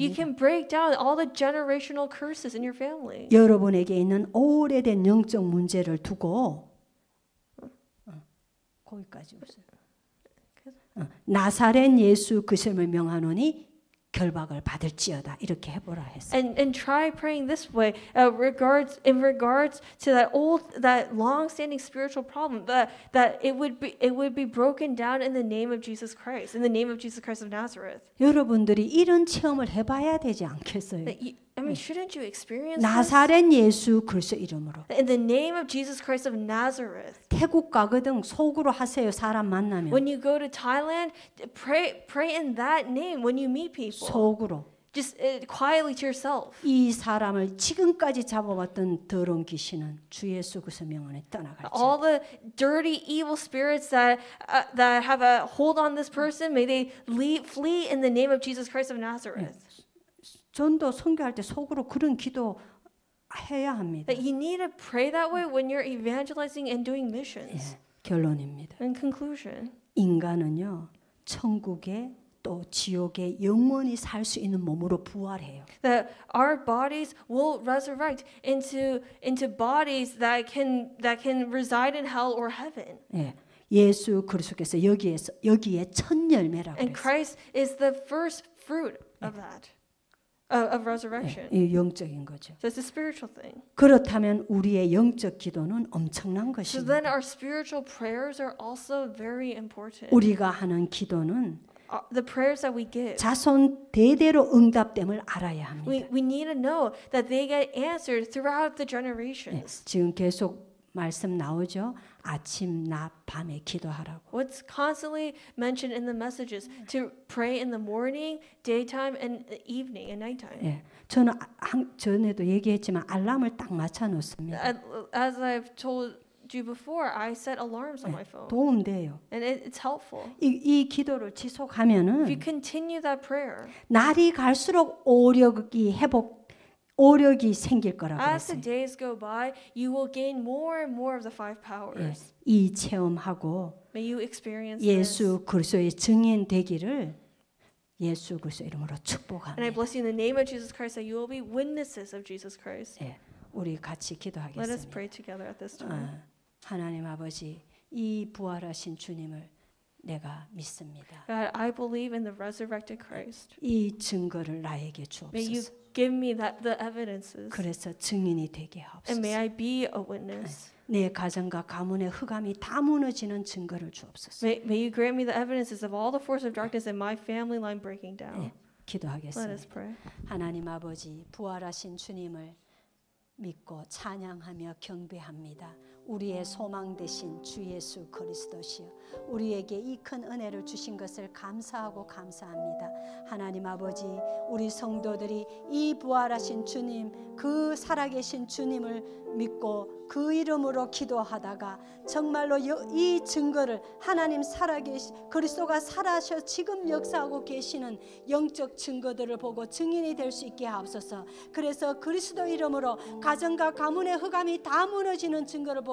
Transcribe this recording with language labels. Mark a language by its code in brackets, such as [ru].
[en] You can break down all the generational curses in your family. [ko] 여러분에게 있는 오래된 영적 문제를 두고 거기까지 오세요. 나사렛 예수 그 이름을 명하노니 결박을 받을지어다 이렇게 해보라 했어요. [en] And try praying this way in regards to that long-standing spiritual problem that it would be broken down in the name of Jesus Christ, in the name of Jesus Christ of Nazareth. [ko] 여러분들이 이런 체험을 해봐야 되지 않겠어요? [en] I mean, shouldn't you experience [ko] 나사렛 예수 그리스도 이름으로. [en] In the name of Jesus Christ of Nazareth. [ko] 태국 가거든 속으로 하세요 사람 만나면. [en] When you go to Thailand, pray in that name when you meet people. [ko] 속으로. [en] Just quietly to yourself. [ko] 이 사람을 지금까지 잡아왔던 더러운 귀신은 주 예수 그리스도 명하노니 떠나갈지. [en] All the dirty evil spirits that have a hold on this person, may they flee in the name of Jesus Christ of Nazareth. [ko] 네. 전도 선교할 때 속으로 그런 기도 해야 합니다. [en] That you need to pray that way when you're evangelizing and doing missions. [ko] 예, 결론입니다. [en] In conclusion, [ko] 인간은요 천국에 또 지옥에 영원히 살 수 있는 몸으로 부활해요. [en] That our bodies will resurrect into bodies that can reside in hell or heaven. [ko] 예. 예수 그리스도께서 여기에 첫 열매라고 했어요. [en] And Christ is the first fruit of that. Of resurrection. [ko] 네, 영적인 거죠. [en] So it's a spiritual thing. [ko] 그렇다면 우리의 영적 기도는 엄청난 것입니다. [en] So then our spiritual prayers are also very important. [ko] 우리가 하는 기도는 [en] the prayers that we give. [ko] 자손 대대로 응답됨을 알아야 합니다. [en] We need to know that they get answered throughout the generations. [ko] 네, 지금 계속 말씀 나오죠. 아침, 낮, 밤에 기도하라고. [en] What's constantly mentioned in the messages to pray in the morning, daytime, and evening, and nighttime. [ko] 예, 저는 전에도 얘기했지만 알람을 딱 맞춰 놓습니다. [en] As I've told you before, I set alarms on my phone. [ko] 도움돼요. [en] And it's helpful. [ko] 이 기도를 지속하면은. [en] If you continue that prayer. [ko] 날이 갈수록 오력이 회복. 오력이 생길 거라고 [en] As [ko] 그랬어요. [en] the days go by, you will gain more and more of the five powers. [ko] 예, 이 체험하고 [en] May you experience [ko] 예수 [en] this. [ko] 그리스도의 증인 되기를 예수 그리스도 이름으로 축복합니다. [en] And I bless you in the name of Jesus Christ that you will be witnesses of Jesus Christ. [ko] 예, 우리 같이 기도하겠습니다. [en] Let us pray together at this time. [ko] 하나님 아버지, 이 부활하신 주님을 내가 믿습니다. [en] God, I believe in the resurrected Christ. [ko] 이 증거를 나에게 주옵소서. [en] Give me the evidences. [ko] 그래서 증인이 되게 하옵소서. [en] And may I be a witness. [ko] 내 가정과 가문의 흑암이 다 무너지는 증거를 주옵소서. [en] May you grant me the evidences of all the force of darkness in my family line breaking down. [ko] 네, 기도하겠습니다. [en] Let us pray. [ko] 하나님 아버지, 부활하신 주님을 믿고 찬양하며 경배합니다. 우리의 소망 되신 주 예수 그리스도시여, 우리에게 이 큰 은혜를 주신 것을 감사하고 감사합니다. 하나님 아버지, 우리 성도들이 이 부활하신 주님, 그 살아계신 주님을 믿고 그 이름으로 기도하다가 정말로 이 증거를 하나님 살아계신 그리스도가 살아서 지금 역사하고 계시는 영적 증거들을 보고 증인이 될 수 있게 하옵소서. 그래서 그리스도 이름으로 가정과 가문의 흑암이 다 무너지는 증거를 보고